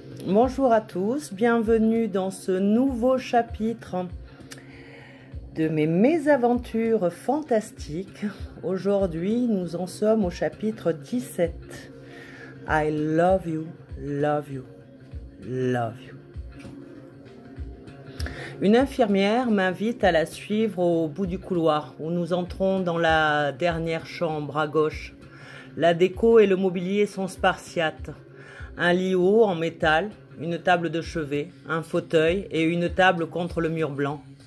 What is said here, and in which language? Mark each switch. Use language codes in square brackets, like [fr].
[fr] Bonjour à tous, bienvenue dans ce nouveau chapitre de mes mésaventures fantastiques. Aujourd'hui, nous en sommes au chapitre 17. [en] I love you, love you, love you. [fr] Une infirmière m'invite à la suivre au bout du couloir où nous entrons dans la dernière chambre à gauche. La déco et le mobilier sont spartiates. Un lit haut en métal, une table de chevet, un fauteuil et une table contre le mur blanc.